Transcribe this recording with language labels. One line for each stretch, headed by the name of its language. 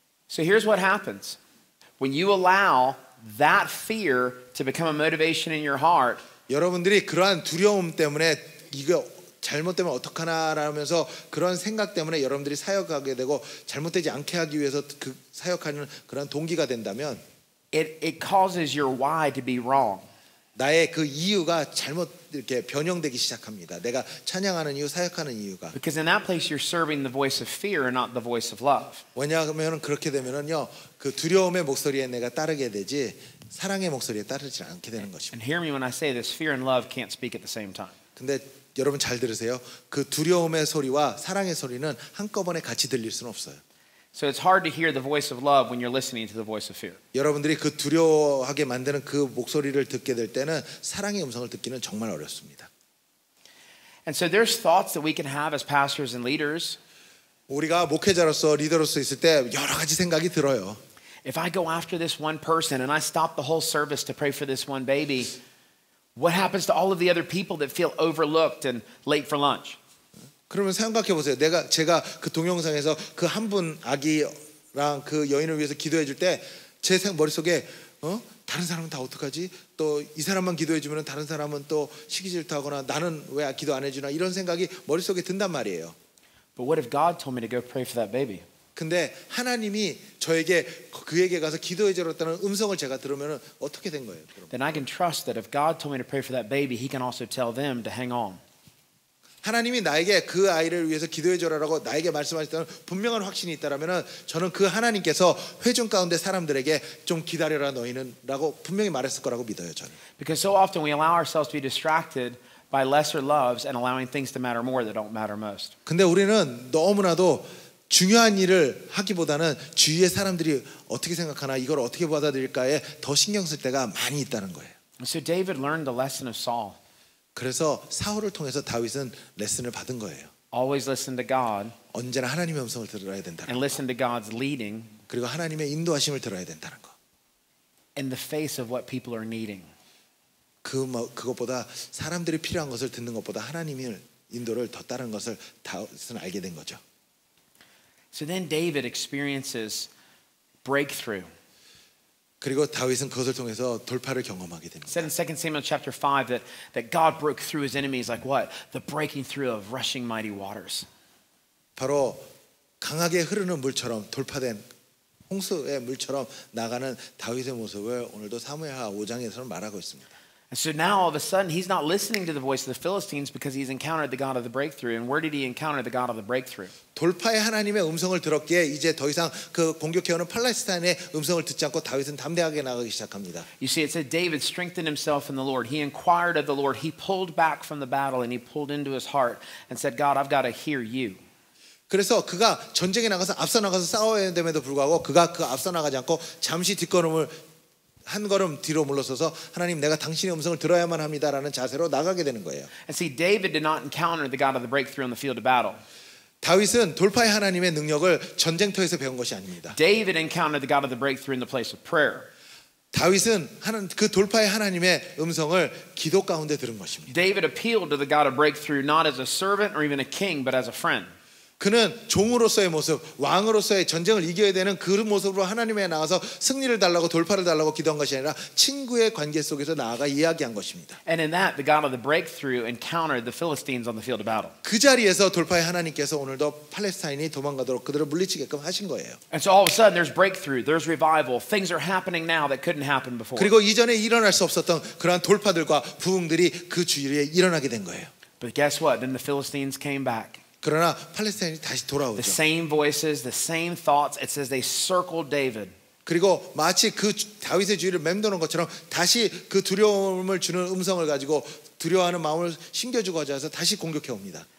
English: So here's what happens when you allow that fear to become a motivation in your heart.
Korean: 여러분들이 그러한 두려움 때문에 이거 잘못되면 어떡하나라면서 그런 생각 때문에 여러분들이 사역하게 되고 잘못되지 않게 하기 위해서 그 사역하는 그런 동기가 된다면
English: it causes your why to be wrong.
Korean: 나의 그 이유가 잘못 이렇게 변형되기 시작합니다. 내가 찬양하는 이유, 사역하는 이유가.
English: Because in that place you're serving the voice of fear and not the voice of love.
Korean: 왜냐하면 그렇게 되면은요, 그 두려움의 목소리에 내가 따르게 되지 사랑의 목소리에 따르지 않게 되는 것입니다.
English: And hear me when I say this, fear and love can't speak at the same time.
Korean: 근데 여러분 잘 들으세요. 그 두려움의 소리와 사랑의 소리는 한꺼번에 같이 들릴 수는 없어요.
English: So it's hard to hear the voice of love when you're listening to the voice of fear.
Korean: 여러분들이 그 두려워하게 만드는 그 목소리를 듣게 될 때는 사랑의 음성을 듣기는 정말 어렵습니다.
English: And so there's thoughts that we can have as pastors and leaders.
Korean: 우리가 목회자로서 리더로서 있을 때 여러 가지 생각이 들어요.
English: If I go after this one person and I stop the whole service to pray for this one baby, what happens to all of the other people that feel overlooked and late for lunch?
Korean: 그러면 생각해 보세요. 제가 그 동영상에서 그 한 분 아기랑 그 여인을 위해서 기도해 줄 때 제 머릿속에 다른 사람은 다 어떡하지? 또 이 사람만 기도해 주면 다른 사람은 또 시기 질투하거나 나는 왜 기도 안 해 주나 이런 생각이 머릿속에 든단 말이에요.
English: But what if God told me to go pray for that baby?
Korean: 근데 하나님이 저에게 그에게 가서 기도해 주었다는 음성을 제가 들으면은 어떻게 된 거예요? 그럼.
English: Then I can trust that if God told me to pray for that baby, he can also tell them to hang on.
Korean: 하나님이 나에게 그 아이를 위해서 기도해 줘라라고 나에게 말씀하셨다는 분명한 확신이 있다라면은 저는 그 하나님께서 회중 가운데 사람들에게 좀 기다려라 너희는라고 분명히 말했을 거라고 믿어요 저는.
English: Because so often we allow ourselves to be distracted by lesser loves and allowing things to matter more that don't matter most.
Korean: 근데 우리는 너무나도 중요한 일을 하기보다는 주위의 사람들이 어떻게 생각하나 이걸 어떻게 받아들일까에 더 신경 쓸 때가 많이 있다는 거예요.
English: So David learned the lesson of Saul.
Korean: 그래서 사울을 통해서 다윗은 레슨을 받은 거예요.
English: Always listen to God.
Korean: 언제나 하나님의 음성을 들어야 된다는 거.
English: And listen to God's leading.
Korean: 그리고 하나님의 인도하심을 들어야 된다는 거.
English: In the face of what people are needing.
Korean: 그것보다 사람들이 필요한 것을 듣는 것보다 하나님의 인도를 더 따르는 것을 다윗은 알게 된 거죠.
English: So then David experiences breakthrough.
Korean: 그리고 다윗은 그것을 통해서 돌파를 경험하게 됩니다.
English: Said in 2 Samuel chapter 5 that God broke through his enemies like what? The breaking through of rushing mighty waters.
Korean: 바로 강하게 흐르는 물처럼 돌파된 홍수의 물처럼 나가는 다윗의 모습을 오늘도 사무엘하 5장에서는 말하고 있습니다.
English: And so now all of a sudden he's not listening to the voice of the Philistines because he's encountered the God of the breakthrough. And where did he encounter the God of the breakthrough?
Korean: 돌파의 하나님의 음성을 들었기에 이제 더 이상 그 공격해오는 팔레스타인의 음성을 듣지 않고 다윗은 담대하게 나가기 시작합니다.
English: You see, it said David strengthened himself in the Lord. He inquired of the Lord. He pulled back from the battle and he pulled into his heart and said, God, I've got to hear you.
Korean: 그래서 그가 전쟁에 나가서 앞서 나가서 싸워야 했음에도 불구하고 그가 그 앞서 나가지 않고 잠시 뒷걸음을 한 걸음 뒤로 물러서서 하나님 내가 당신의 음성을 들어야만 합니다라는 자세로 나가게 되는 거예요.
English: And see, David did not encounter the God of the breakthrough on the field of battle.
Korean: 다윗은 돌파의 하나님의 능력을 전쟁터에서 배운 것이 아닙니다.
English: David encountered the God of the breakthrough in the place of prayer.
Korean: 다윗은 그 돌파의 하나님의 음성을 기도 가운데 들은 것입니다.
English: David appealed to the God of breakthrough not as a servant or even a king but as a friend.
Korean: 그는 종으로서의 모습, 왕으로서의 전쟁을 이겨야 되는 그 모습으로 하나님에 나와서 승리를 달라고 돌파를 달라고 기도한 것이 아니라 친구의 관계 속에서 나아가 이야기한 것입니다.
English: And in that, the God of the breakthrough encountered the Philistines on the field of battle.
Korean: 그 자리에서 돌파의 하나님께서 오늘도 팔레스타인이 도망가도록 그들을 물리치게끔 하신 거예요.
English: And so all of a sudden, there's breakthrough, there's revival, things are happening now that couldn't happen before.
Korean: 그리고 이전에 일어날 수 없었던 그러한 돌파들과 부흥들이 그 주위에 일어나게 된 거예요.
English: But guess what? Then the Philistines came back.
Korean: 그러나 팔레스타인이 다시 돌아오죠.
English: The same voices, the same thoughts. It says they circled David.
Korean: 그리고 마치 그 다윗의 주위를 맴도는 것처럼 다시 그 두려움을 주는 음성을 가지고 두려워하는 마음을 심겨주고자 해서 다시 공격해 옵니다.